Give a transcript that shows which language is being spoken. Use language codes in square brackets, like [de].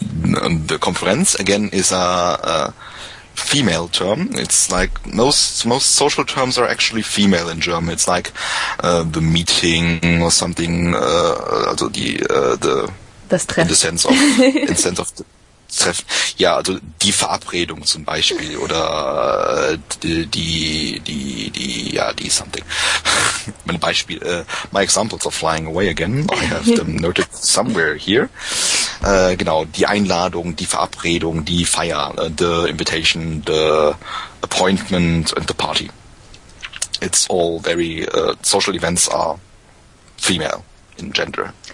[en] The Konferenz, again, is a female term. It's like most social terms are actually female in German. It's like the meeting or something, also the... [de] Das Treffen. [en] In the sense of the Treffen. [de] Ja, also die Verabredung zum Beispiel oder die something. Mein Beispiel, [en] my examples are flying away again. I have them noted somewhere here. [de] genau, die Einladung, die Verabredung, die Feier, [en] the invitation, the appointment and the party. It's all very, social events are female in gender.